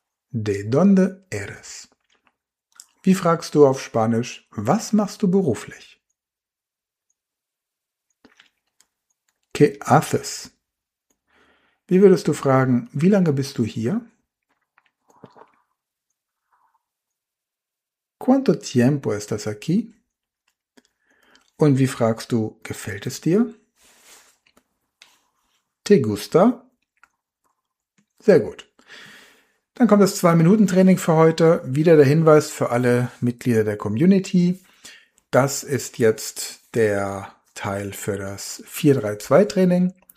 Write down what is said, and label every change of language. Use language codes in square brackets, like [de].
[es] ¿De dónde eres? [de] Wie fragst du auf Spanisch, was machst du beruflich? [es] ¿Qué haces? [de] Wie würdest du fragen, wie lange bist du hier? [es] ¿Cuánto tiempo estás aquí? [de] Und wie fragst du, gefällt es dir? [es] ¿Te gusta? [de] Sehr gut. Dann kommt das 2-Minuten-Training für heute. Wieder der Hinweis für alle Mitglieder der Community. Das ist jetzt der Teil für das 4-3-2-Training.